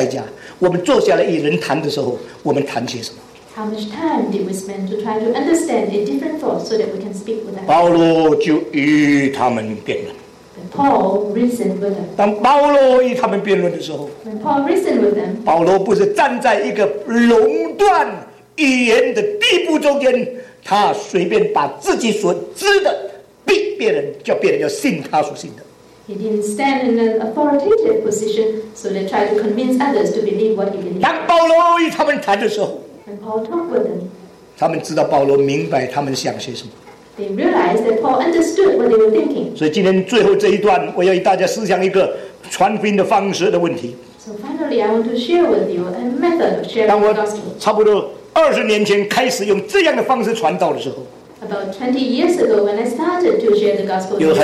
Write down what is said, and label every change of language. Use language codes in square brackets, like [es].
[zh] 我们今天在传道的是，我们对别的文化研究多少，我们付多少代价，我们坐下来与人谈的时候，我们谈些什么？ [en] How much time did we spend to try to understand a different thought so that we can speak with them? [zh] 保罗就与他们辩论。 [en] Paul reasoned with them. When Paul reasoned with them, [zh] 保罗不是站在一个垄断语言的地步中间，他随便把自己所知的逼别人，叫别人要信他所信的。 [en] He didn't stand in an authoritative position, so they tried to convince others to believe what he believed. [zh] 当保罗与他们谈的时候， [en] When Paul talked with them, [zh] 他们知道保罗明白他们想些什么。 [en] They realized that Paul understood what they were thinking. So finally, I want to share with you a method of sharing the gospel. [zh] 当我差不多20年前开始用这样的方式传道的时候， [en] About 20 years ago, when I started to share the gospel,